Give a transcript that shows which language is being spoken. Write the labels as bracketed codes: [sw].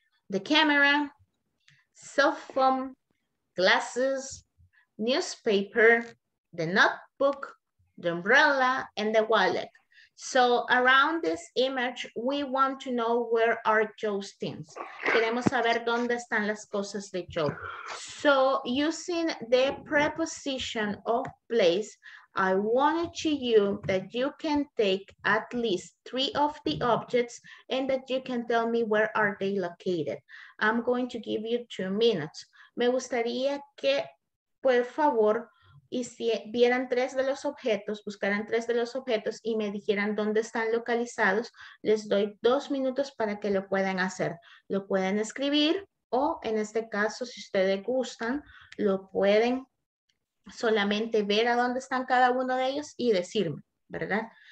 [en] The camera, cell phone, glasses, newspaper, the notebook, the umbrella, and the wallet. So around this image, we want to know where are Joe's things. [es] Queremos saber dónde están las cosas de Joe. [en] So using the preposition of place, I wanted to you that you can take at least three of the objects and that you can tell me where are they located. I'm going to give you 2 minutes. [es] Me gustaría que, por favor, vieran tres de los objetos, buscaran tres de los objetos y me dijeran dónde están localizados. Les doy 2 minutos para que lo puedan hacer. Lo pueden escribir o, en este caso, si ustedes gustan, lo pueden solamente ver a dónde están cada uno de ellos y decirme, ¿verdad?